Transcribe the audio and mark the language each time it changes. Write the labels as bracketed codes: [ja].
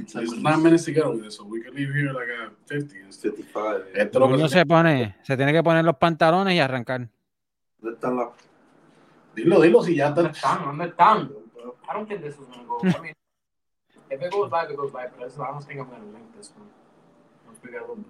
[en] It's 9 minutes to get over there, so we can leave here like at 50. It's 55. [es] Este lo que no se pone. Se tiene que poner los pantalones y arrancar. ¿Dónde están las...? Dilo, si ya están. ¿Dónde están? [en] I don't think this is going to go. I mean, if it goes by, it goes by, but I don't think I'm going to link this one.